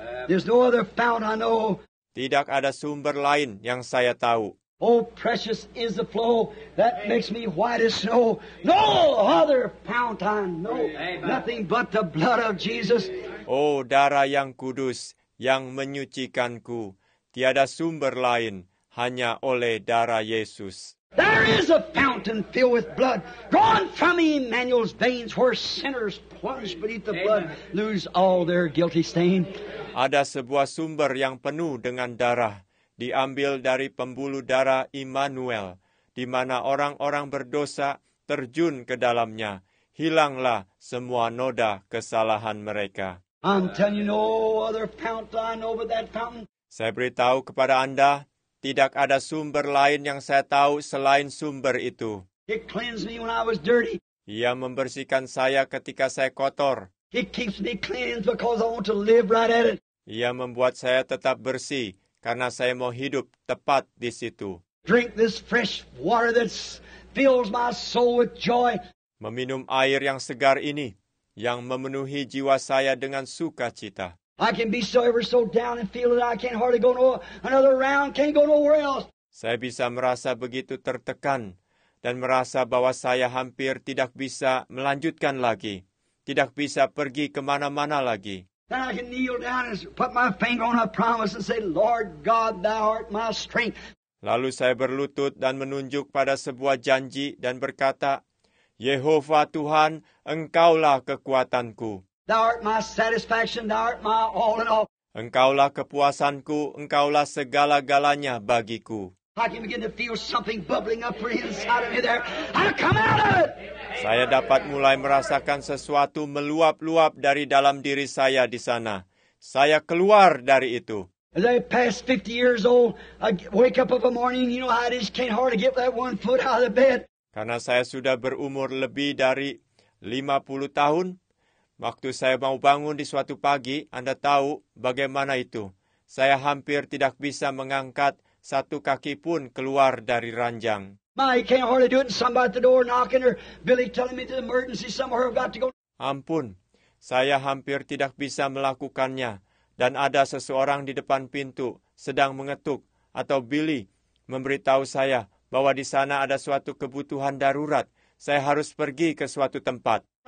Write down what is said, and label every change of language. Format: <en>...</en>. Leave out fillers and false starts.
<en>There's no other fount I know.</en> <id>Tidak ada sumber lain yang saya tahu.</id> <en>Oh, precious is the flow that makes me white as snow. No other fount I know. Nothing but the blood of Jesus.</en> <id>Oh, darah yang kudus, yang menyucikanku. Tiada sumber lain, hanya oleh darah Yesus.</id> <en>There is a fountain filled with blood, drawn from Emmanuel's veins, where sinners plunge beneath the blood, lose all their guilty stain.</en> <id>Ada sebuah sumber yang penuh dengan darah, diambil dari pembuluh darah Immanuel, di mana orang-orang berdosa terjun ke dalamnya. Hilanglah semua noda kesalahan mereka.</id> <en>I'm telling you, no other fountain I know but that fountain.</en> <id>Saya beritahu kepada Anda, tidak ada sumber lain yang saya tahu selain sumber itu.</id> <en>It cleansed me when I was dirty.</en> <id>Ia membersihkan saya ketika saya kotor.</id> <en>It keeps me clean because I want to live right at it.</en> <id>Ia membuat saya tetap bersih karena saya mau hidup tepat di situ.</id> <en>Drink this fresh water that fills my soul with joy.</en> <id>Meminum air yang segar ini, yang memenuhi jiwa saya dengan sukacita.</id> <en>I can be so ever so down and feel it. I can't hardly go no another round. Can't go nowhere else.</en> <id>Saya bisa merasa begitu tertekan dan merasa bahwa saya hampir tidak bisa melanjutkan lagi, tidak bisa pergi kemana-mana lagi.</id> <en>Then I can kneel down and put my finger on a promise and say, Lord God, Thou art my strength.</en> <id>Lalu saya berlutut dan menunjuk pada sebuah janji dan berkata, Yehova Tuhan, Engkaulah kekuatanku.</id> <en>Thou art my satisfaction, Thou art my all in all.</en> <id>Engkaulah kepuasanku, Engkaulah segala-galanya bagiku.</id> <en>I can begin to feel something bubbling up inside of me there. I come out of it.</en> <id>Saya dapat mulai merasakan sesuatu meluap-luap dari dalam diri saya di sana. Saya keluar dari itu.</id> <en>As I pass 50 years old, I wake up of a morning, you know how it is, can't hardly get that one foot out of the bed.</en> <id>Karena saya sudah berumur lebih dari 50 tahun, waktu saya mau bangun di suatu pagi, Anda tahu bagaimana itu. Saya hampir tidak bisa mengangkat satu kaki pun keluar dari ranjang.</id> <en>My, can't hardly do it. Somebody at the door knocking, or Billy telling me the emergency somewhere I've got to go.</en> <id>Ampun, saya hampir tidak bisa melakukannya. Dan ada seseorang di depan pintu sedang mengetuk, atau Billy memberitahu saya bahwa di sana ada suatu kebutuhan darurat. Saya harus pergi ke suatu tempat.</id>